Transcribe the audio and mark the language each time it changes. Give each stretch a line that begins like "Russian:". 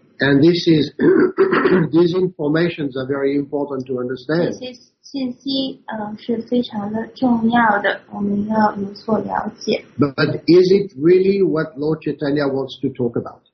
English: And this is these informations are very important to understand.
Chinese: 这些信息是非常的重要的，我们要有所了解。
English: But is it really what Lord Chaitanya wants to talk about?